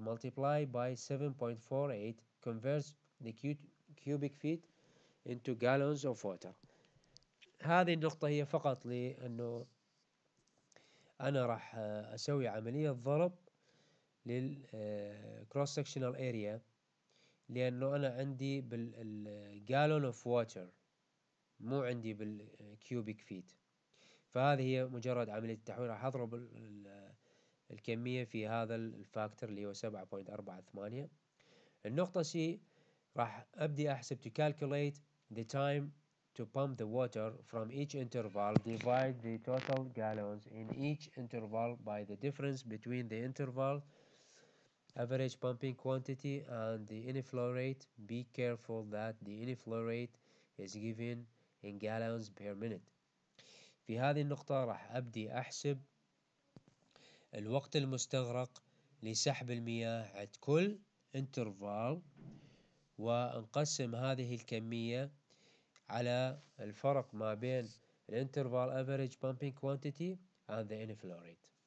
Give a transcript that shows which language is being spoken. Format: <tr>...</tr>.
<en>Multiply by 7.48 converts the cubic feet into gallons of water.</en> <ar>هذه النقطة هي فقط لأنه أنا راح أسوي عملية ضرب لل cross sectional area، لأنه أنا عندي بال gallon of water مو عندي بال cubic feet، فهذه هي مجرد عملية تحويل، راح أضرب الكمية في هذا الفاكتور اللي هو 7.48. النقطة C راح أبدي أحسب</ar> <en>to calculate the time to pump the water from each interval, divide the total gallons in each interval by the difference between the interval average pumping quantity and the inflow rate. Be careful that the inflow rate is given in gallons per minute.</en> <ar>في هذه النقطة راح أبدي أحسب الوقت المستغرق لسحب المياه عند كل interval ونقسم هذه الكمية على الفرق ما بين</ar> <en>الانترفال average pumping quantity and the inflow rate,</en>